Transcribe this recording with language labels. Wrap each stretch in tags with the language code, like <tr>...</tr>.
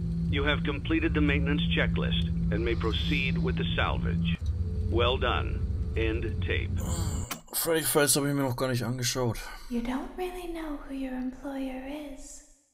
<en>You have completed the maintenance checklist and may proceed with the salvage. Well done. End tape.</en> <de>Freddy Fazbear habe ich mir noch gar nicht angeschaut.</de> <en>You don't really know who your employer is.</en>